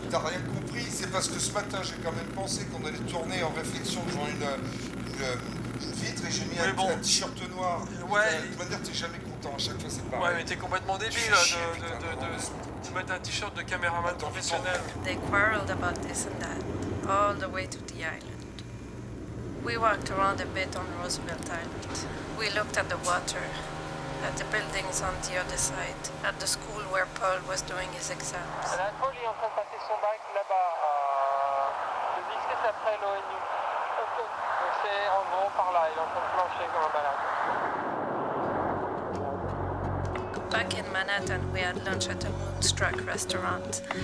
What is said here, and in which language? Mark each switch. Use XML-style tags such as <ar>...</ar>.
<fr>T'as rien compris, c'est parce que ce matin j'ai quand même pensé qu'on allait tourner en réflexion devant une vitre et j'ai mis un t-shirt noir. Ouais. De toute manière, t'es jamais content, à chaque fois c'est pareil. Ouais, mais t'es complètement débile là, de mettre un t-shirt de caméraman professionnel.</fr> <en>They quarreled about this and that, all the way to the island. We walked around a bit on Roosevelt Island. We looked at the water, at the buildings on the other side, at the school where Paul was doing his exams.</en> <fr>L'info, il est en train de passer son bac là-bas, le biscuit après l'ONU. C'est en gros par là, il est en train de plancher comme un malade.</fr> <en>Back in Manhattan, we had lunch at a Moonstruck restaurant.</en>